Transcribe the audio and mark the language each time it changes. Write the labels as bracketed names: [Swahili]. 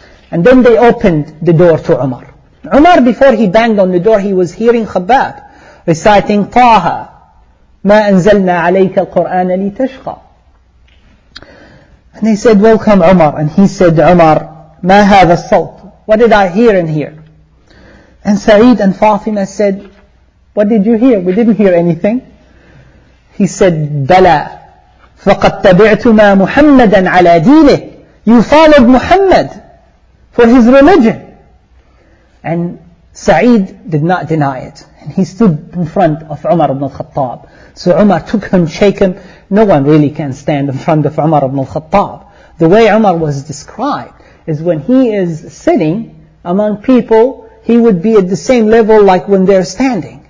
[English] And then they opened the door to Umar. Umar, before he banged on the door, he was hearing Khabbab reciting Taha, [Arabic] مَا أَنزَلْنَا عَلَيْكَ الْقُرْآنَ لِتَشْقَى. [English] And they said, welcome Umar. And he said, Umar, [Arabic] مَا هَذَا الصَّوْتِ. [English] What did I hear in here? And Sa'id and Fatima said, what did you hear? We didn't hear anything. He said, [Arabic] Bala, فَقَدْ تَبِعْتُمَا مُحَمَّدًا عَلَى دِينِهِ. [English] You followed Muhammad for his religion. And Sa'id did not deny it. And he stood in front of Umar ibn al-Khattab. So Umar took him, shake him. No one really can stand in front of Umar ibn al-Khattab. The way Umar was described is when he is sitting among people, he would be at the same level like when they're standing.